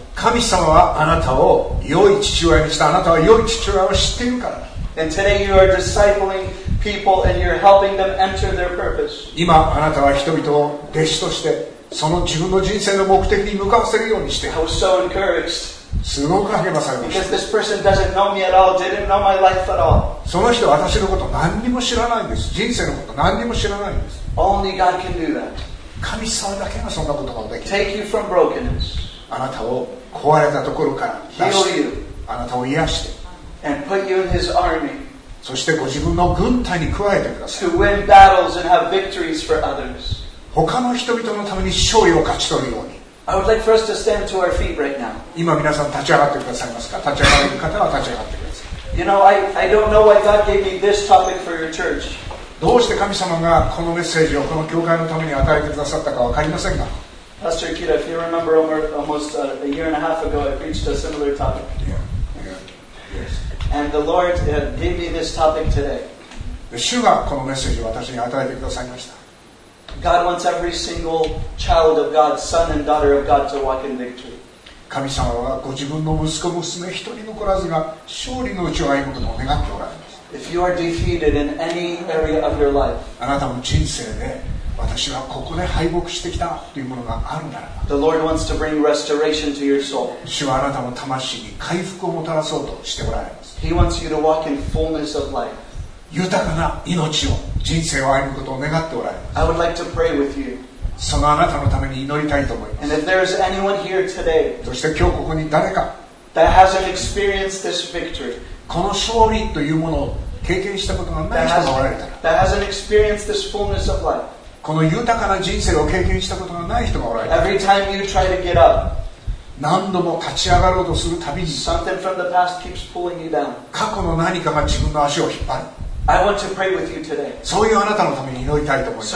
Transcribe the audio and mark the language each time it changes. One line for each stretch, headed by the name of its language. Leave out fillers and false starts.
Japanese: 神様はあなたを良い父親にした。あなたは良い父親を知っているから。
English: And today you are discipling people and you're helping them enter their purpose.
Japanese: 今あなたは人々を弟子としてその自分の人生の目的に向かわせるようにしている。
English: I was so encouraged.
Japanese: すごく励まされました。
English: Because this person doesn't know me at all, didn't know my life at all.
Japanese: その人は私のこと何にも知らないんです。人生のこと何にも知らないんです。
English: Only God can do that.
Japanese: 神様だけがそんなことができる。
English: Take you from brokenness.
Japanese: あなたを壊れたところから出して、
English: Heal you.
Japanese: あなたを癒して、
English: And put you in his army.
Japanese: そしてご自分の軍隊に加えてください。
English: To win battles and have victories for others.
Japanese: 他の人々のために勝利を勝ち取るように。
English: I would like for us to stand to our feet right now.
Japanese: 今皆さん立ち上がってくださいますか？立ち上がれる方は立ち上がってください。
English: You know, I don't know why God gave me this topic for your church.
Japanese: どうして神様がこのメッセージをこの教会のために与えてくださったか分かりませんが、
English: Pastor Akira, if you remember almost a year and a half ago, I preached a similar topic. Yes. And the Lord gave me this topic today.
Japanese: 主がこのメッセージを私に与えてくださいました。
English: God wants every single child of God, son and daughter of God, to walk in victory.
Japanese: 神様はご自分の息子娘一人残らずが勝利のうちを歩むことを願っておられます。
English: If you are defeated in any area of your life,
Japanese: あなたの人生で私はここで敗北してきたというものがあるならば、
English: The Lord wants to bring restoration to your soul.
Japanese: 主はあなたの魂に回復をもたらそうとしておられます。
English: He wants you to walk in fullness of life.
Japanese: 豊かな命を、人生を歩むことを願っておられます。
English: I would like to pray with you.
Japanese: そのあなたのために祈りたいと思います。
English: And if there is anyone here today,
Japanese: そして今日ここに誰か、
English: that hasn't experienced this victory,
Japanese: この勝利というものを経験したことがない人がおられたら、
English: that hasn't experienced this fullness of life,
Japanese: この豊かな人生を経験したことがない人がおられたら、
English: every time you try to get up,
Japanese: 何度も立ち上がろうとするたびに、
English: Something from the past keeps pulling you down.
Japanese: 過去の何かが自分の足を引っ張る。
English: I want to pray with you today.
Japanese: そういうあなたのために祈りたいと思います。